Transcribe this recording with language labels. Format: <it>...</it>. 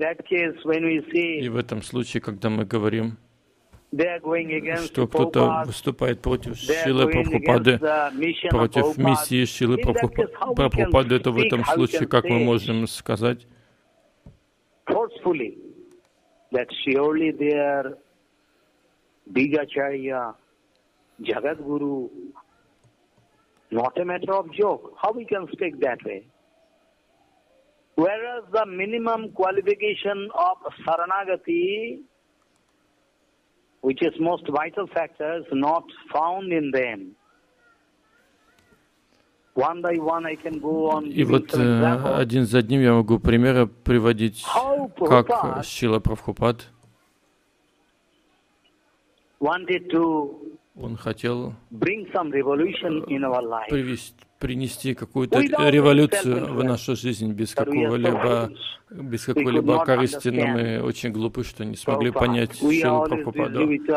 <ru>И в этом случае, когда мы говорим, что кто-то выступает против Шрилы Прабхупады, против миссии Шрилы Прабхупады, то в этом случае, как мы можем сказать?</ru> <en>That surely they are big acharya, jagat guru, not a matter of joke. How we can speak that way? Whereas the minimum qualification of saranagati, which is most vital factor, is not found in them.</en> <ru>И вот один за одним я могу примеры приводить, как Шрила Прабхупад. Он хотел принести какую-то революцию в нашу жизнь без какой-либо корысти, но мы очень глупы, что не смогли понять Шрилу Прабхупаду.</ru>